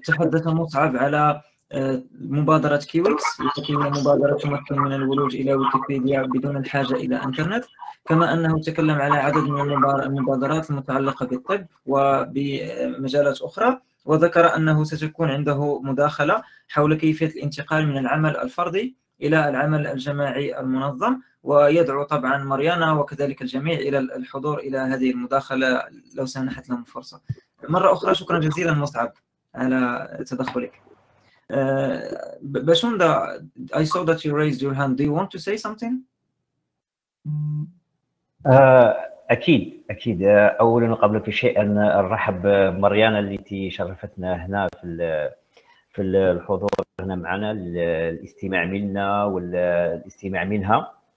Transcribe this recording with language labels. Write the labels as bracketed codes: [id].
[ar] تحدث مصعب على مبادرة كيويكس، وتكون مبادرة تمكن من الولوج إلى ويكيبيديا بدون الحاجة إلى إنترنت، كما أنه تكلم على عدد من المبادرات المتعلقة بالطب وبمجالات أخرى، وذكر أنه ستكون عنده مداخلة حول كيفية الانتقال من العمل الفردي إلى العمل الجماعي المنظم، ويدعو طبعا ماريانا وكذلك الجميع إلى الحضور إلى هذه المداخلة لو سنحت لهم فرصة. مرة أخرى شكرا جزيلا مصعب على تدخلك. [en] بشوندا, I saw that you raised your hand. Do you want to say something? [ar] أكيد أكيد. أولا قبل كل شيء أن أرحب ماريانا التي شرفتنا هنا في الحضور هنا معنا للاستماع منا والاستماع منها.